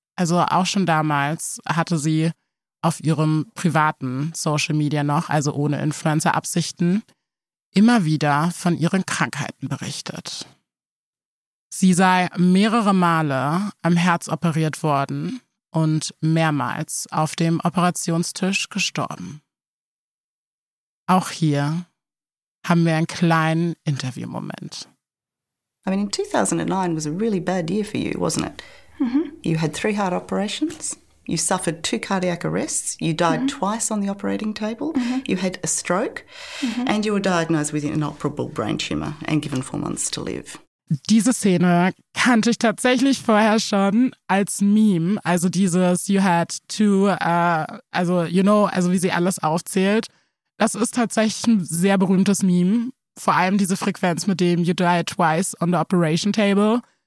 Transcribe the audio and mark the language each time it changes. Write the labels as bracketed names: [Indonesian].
[German] Also auch schon damals hatte sie auf ihrem privaten Social-Media noch, also ohne Influencer-Absichten, immer wieder von ihren Krankheiten berichtet. Sie sei mehrere Male am Herz operiert worden und mehrmals auf dem Operationstisch gestorben. Auch hier haben wir einen kleinen Interviewmoment. [English] I mean, in 2009 was a really bad year for you, wasn't it? Mm-hmm. You had 3 heart operations. You suffered 2 cardiac arrests. You died mm-hmm. twice on the operating table. Mm-hmm. You had a stroke. Mm-hmm. And you were diagnosed with an inoperable brain tumor and given 4 months to live. [German] Diese Szene kannte ich tatsächlich vorher schon als Meme, also dieses [English] you had to, [German] also wie sie alles aufzählt. Das ist tatsächlich ein sehr berühmtes Meme, vor allem diese Frequenz mit dem [English] you died twice on the operation table.